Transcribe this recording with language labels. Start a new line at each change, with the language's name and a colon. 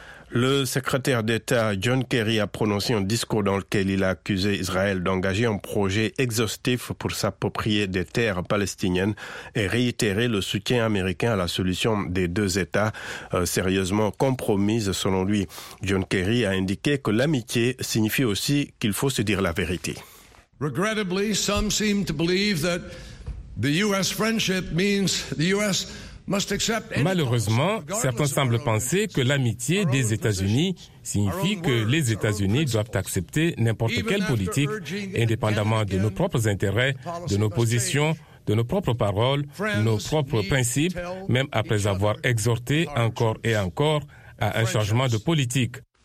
French: Le secrétaire d'État John Kerry a prononcé un discours dans lequel il a accusé Israël d'engager un projet exhaustif pour s'approprier des terres palestiniennes et réitérer le soutien américain à la solution des deux États, sérieusement compromise selon lui. John Kerry a indiqué que l'amitié signifie aussi qu'il faut se dire la vérité.
English: Regrettably, some seem to believe that the U.S. friendship means the U.S.
French: Malheureusement, certains semblent penser que l'amitié des États-Unis signifie que les États-Unis doivent accepter n'importe quelle politique, indépendamment de nos propres intérêts, de nos positions, de nos propres paroles, nos propres principes, même après avoir exhorté encore et encore à un changement de politique.